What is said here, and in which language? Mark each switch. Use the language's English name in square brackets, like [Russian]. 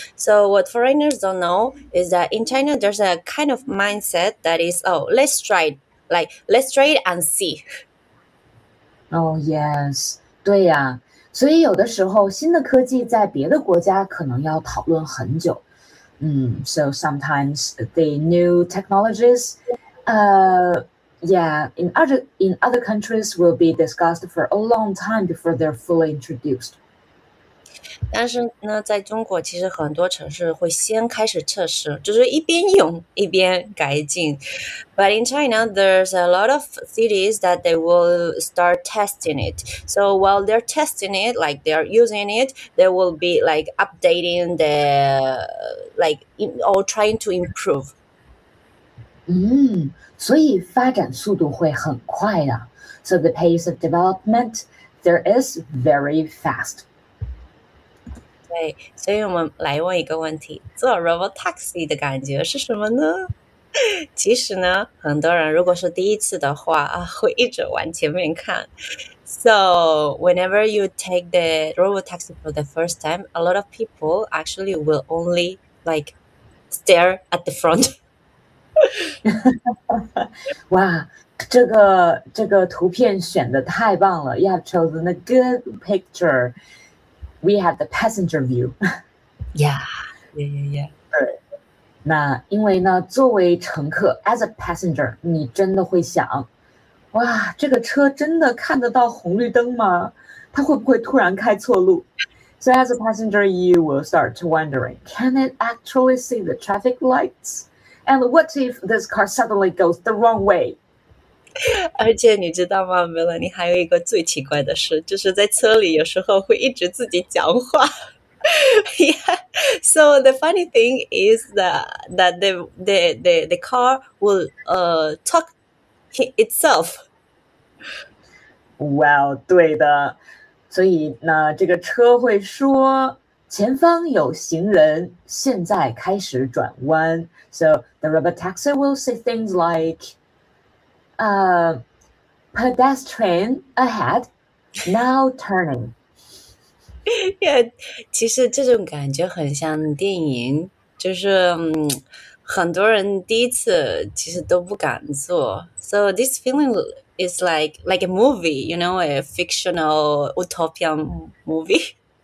[English] So what foreigners don't know is that in China, there's a kind of mindset that is, oh, let's try it and see. Oh yes， [Chinese] 对呀，所以有的时候新的科技在别的国家可能要讨论很久。 [English] So sometimes the new technologies, in other countries will be discussed for a long time before they're fully introduced. [Chinese] 但是呢，在中国其实很多城市会先开始测试，就是一边用一边改进。 [English] But in China, there's a lot of cities that they will start testing it. So while they're testing it, like they're using it, they will be like updating or trying to improve. [Chinese] 所以发展速度会很快的。 [English] So the pace of development there is very fast. [Chinese] 对，所以我们来问一个问题：坐 robotaxi 的感觉是什么呢？其实呢，很多人如果是第一次的话啊，会一直往前面看。 [English] So whenever you take the robotaxi for the first time, a lot of people actually will only like stare at the front. [Chinese] 哇，这个图片选得太棒了！ [English] You have chosen a good picture. We have the passenger view. [Chinese] 那因为呢，作为乘客， [English] as a passenger， [Chinese] 你真的会想，哇，这个车真的看得到红绿灯吗？它会不会突然开错路？ [English] So as a passenger, you will start wondering, can it actually see the traffic lights? And what if this car suddenly goes the wrong way? [Chinese] 而且你知道吗，Melanie，还有一个最奇怪的事，就是在车里有时候会一直自己讲话。 [English] So the funny thing is that the car will talk itself. [Chinese] 哇，对的。所以呢，这个车会说前方有行人，现在开始转弯。 [English] So the robot taxi will say things like, pedestrian ahead, now turning. [Chinese] Yeah, 其实这种感觉很像电影，就是很多人第一次其实都不敢坐。 [English] So this feeling is like a movie, you know, a fictional utopian movie.